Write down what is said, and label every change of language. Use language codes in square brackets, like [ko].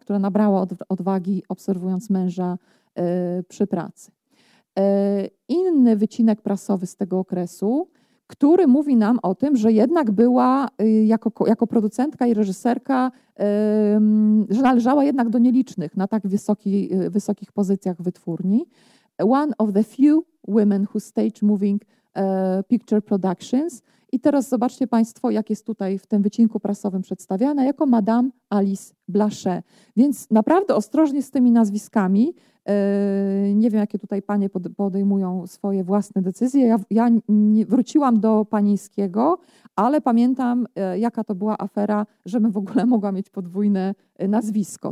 [pl] Która nabrała odwagi obserwując męża przy pracy. Inny wycinek prasowy z tego okresu, który mówi nam o tym, że jednak była jako producentka i reżyserka, że należała jednak do nielicznych na tak wysokich pozycjach wytwórni. [en] One of the few women who stage moving picture productions. [pl] I teraz zobaczcie Państwo, jak jest tutaj w tym wycinku prasowym przedstawiana, jako Madame Alice Blaché. Więc naprawdę ostrożnie z tymi nazwiskami. Nie wiem, jakie tutaj panie podejmują swoje własne decyzje. Ja nie wróciłam do panińskiego, ale pamiętam, jaka to była afera, żebym w ogóle mogła mieć podwójne nazwisko.